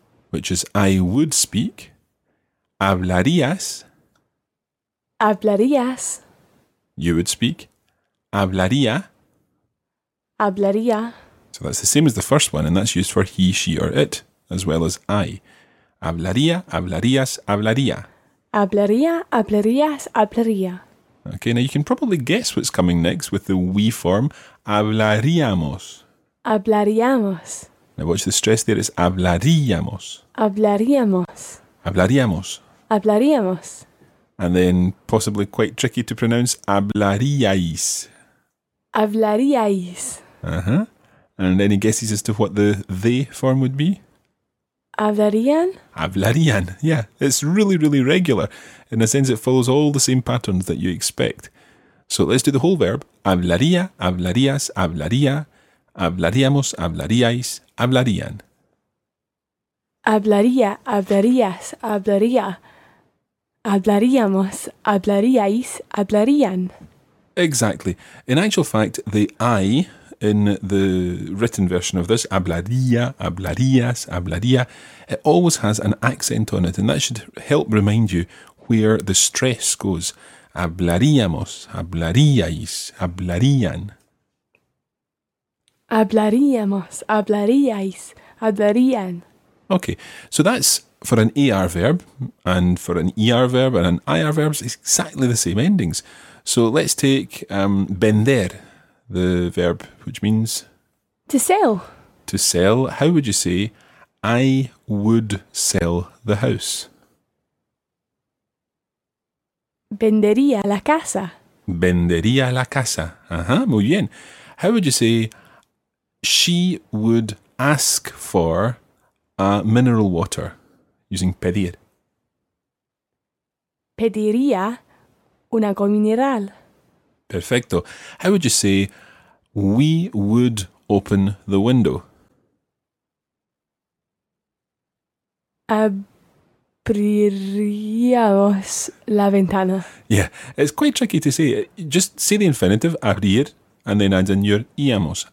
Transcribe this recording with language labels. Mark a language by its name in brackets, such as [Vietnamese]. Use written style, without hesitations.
[English] Which is I would speak. Hablarías. [Spanish] Hablarías. [English] You would speak. Hablaría. [Spanish] Hablaría. [English] So that's the same as the first one, and that's used for he, she, or it, as well as I. [Spanish] Hablaría, hablarías, hablaría. Hablaría, hablarías, hablaría. [English] Okay, now you can probably guess what's coming next with the we form. [Spanish] Hablaríamos. Hablaríamos. [English] Now watch the stress there. It's hablaríamos. [Spanish] Hablaríamos. Hablaríamos. Hablaríamos. [English] And then, possibly quite tricky to pronounce, hablaríais. [Spanish] Hablaríais. Uh-huh. [English] And any guesses as to what the they form would be? [Spanish] Hablarían? Hablarían, yeah. [English] It's really, really regular. In a sense, it follows all the same patterns that you expect. So let's do the whole verb. [Spanish] Hablaría, hablarías, hablaría. Hablaríamos, hablaríais, hablarían. Hablaría, hablarías, hablaría. Hablaríamos, hablaríais, hablarían. [English] Exactly. In actual fact, the I in the written version of this, [Spanish] hablaría, hablarías, hablaría, [English] it always has an accent on it, and that should help remind you where the stress goes. [Spanish] Hablaríamos, hablaríais, hablarían. Hablaríamos, hablaríais, hablarían. [English] Okay, so that's for an AR verb, and for an ER verb and an IR verb, it's exactly the same endings. So let's take vender, the verb, which means... To sell. To sell. How would you say, I would sell the house? [Spanish] Vendería la casa. Vendería la casa. Uh-huh, muy bien. [English] How would you say, she would ask for a mineral water, using pedir? [Spanish] Pediría un agua mineral. Perfecto. [English] How would you say, we would open the window? [Spanish] Abriríamos la ventana. [English] Yeah, it's quite tricky to say. Just say the infinitive, abrir, and then add in your íamos.